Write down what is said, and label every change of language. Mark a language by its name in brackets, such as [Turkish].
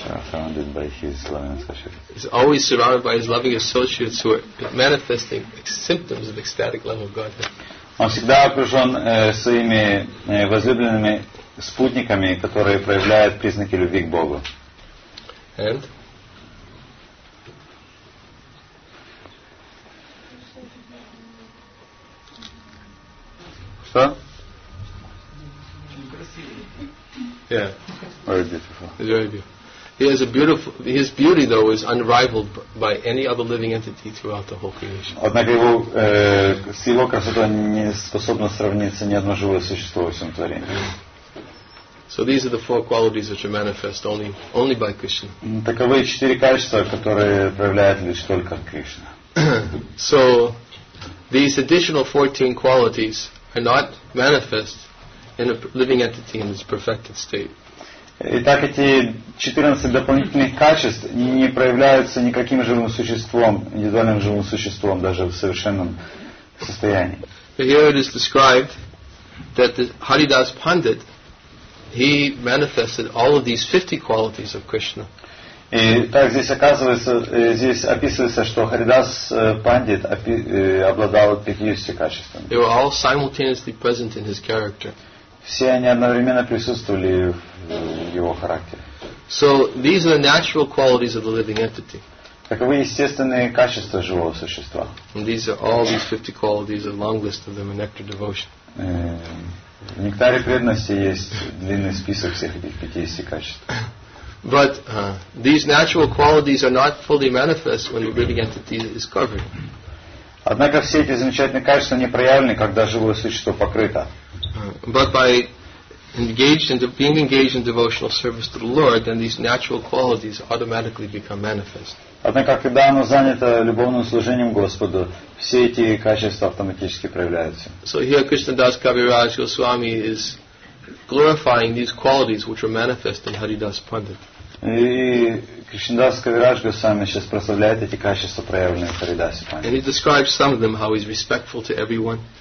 [English] Surrounded by his loving associates. He's always surrounded by his loving associates who are manifesting symptoms of ecstatic love of Godhead. [Russian] Он всегда окружен своими возлюбленными спутниками, которые проявляют признаки любви к Богу. [English] And? [Russian] Что? [English] Yeah. Very beautiful. It's very beautiful. He has a beautiful. His beauty, though, is unrivaled by any other living entity throughout the whole creation. [Russian] Однако его с его красотой не способно сравниться ни одно живое существо во всем творении. [English] So these are the four qualities which are manifest only by Krishna. [Russian] Таковы четыре качества, которые проявляет лишь только Кришна. [English] So these additional 14 qualities are not manifest in a living entity in its perfected state. [Russian] Итак, эти 14 дополнительных качеств не проявляются никаким живым существом, индивидуальным живым существом, даже в совершенном состоянии. [English] But here it is described that the Haridas Pandit, he manifested all of these 50 qualities of Krishna. [Russian] И так здесь оказывается, здесь описывается, что Харидас Пандит обладал 50 качествами. [English] They were all simultaneously present in his character. [Russian] Все они одновременно присутствовали в его характере. [English] So these are the natural qualities of the living entity. [Russian] Таковы естественные качества живого существа. [English] And these are all these 50 qualities, a long list of them in Nectar Devotion. [Russian] В Нектаре преданности есть длинный список всех этих 50 качеств. [English] But these natural qualities are not fully manifest when the living entity is covered. [Russian] Однако все эти замечательные качества не проявлены, когда живое существо покрыто. [English] But by being engaged in devotional service to the Lord, then these natural qualities automatically become manifest. [Russian] Однако когда оно занято любовным служением Господу, все эти качества автоматически проявляются. [English] So here Krishna Das Kaviraj Goswami is glorifying these qualities which are manifest in Haridas Pandit. [Russian] И Кришнадас Кавирадж Госвами сейчас прославляет эти качества, проявленные в Харидасе [English] Пандите. And he describes some of them, how he's respectful to everyone.